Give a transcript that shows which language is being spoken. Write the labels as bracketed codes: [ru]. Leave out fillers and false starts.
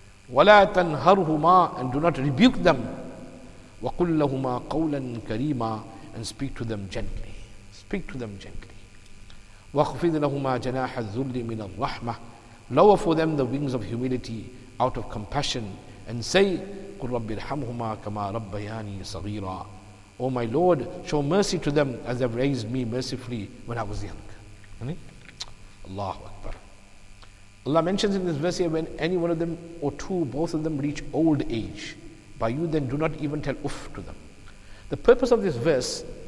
[ar] وَلَا تَنْهَرْهُمَا. [en] And do not rebuke them. [ar] وَقُلْ لَهُمَا قَوْلًا كَرِيمًا. [en] And speak to them gently. Speak to them gently. [ar] وَخْفِضْ لَهُمَا جَنَاحَ الذُّلِّ مِنَ الرَّحْمَةِ. [en] Lower for them the wings of humility out of compassion. And say, [ar] قُلْ رَبِّ ارْحَمْهُمَا كَمَا رَبَّيَانِي صَغِيرًا. [en] Oh my Lord, show mercy to them as they've raised me mercifully when I was young. Allahu Akbar. Allah mentions in this verse here, when any one of them or two, both of them reach old age, by you then do not even tell uff to them. The purpose of this verse